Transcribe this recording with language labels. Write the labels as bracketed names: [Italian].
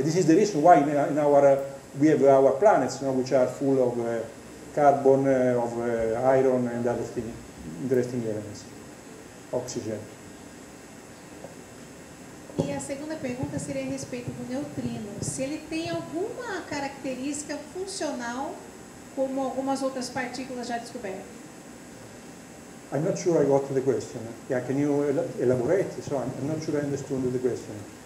[English] This is the reason why in our we have our planets, you know, which are full of carbon, of iron, and other things, interesting elements, oxygen. [Portuguese] E a segunda pergunta seria a respeito do neutrino. Se ele tem alguma característica funcional como algumas outras partículas já descobertas? [English] I'm not sure I got the question. Yeah, can you elaborate? So I'm not sure I understood the question.